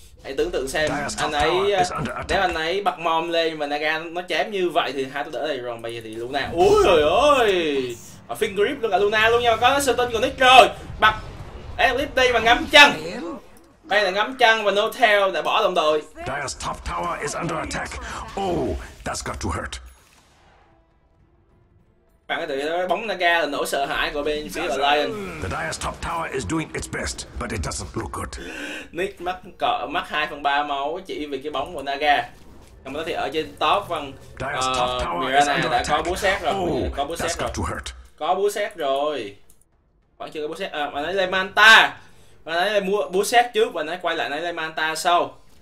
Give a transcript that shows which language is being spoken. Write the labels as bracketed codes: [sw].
[vi] Hãy tưởng tượng xem anh ấy, nếu anh ấy bật mom lên và Naga nó chém như vậy thì hai tôi đỡ đây rồi. Bây giờ thì Luna, úi trời ơi, và finger grip luôn cả Luna luôn nha, có sơ tinh của Nick rồi. Bật clip đi và ngắm chân, đây là ngắm chân và no tail đã bỏ đồng đội. [en] Dire's top tower is under attack. Oh, that's got to hurt. [vi] Bạn có thể thấy bóng Naga là nỗi sợ hãi của bên phía của Lion. [en] The Dire's top tower is doing its best, but it doesn't look good. [vi] Nick mắc 2/3 máu chỉ vì cái bóng của Naga. Trong đó thì ở trên top vâng, Mirana đã có búa xét rồi. Có búa xét rồi. Vẫn chưa có búa xét, mà nó lên Manta. Mà nó lên búa xét trước và nó quay lại nó lên Manta sau.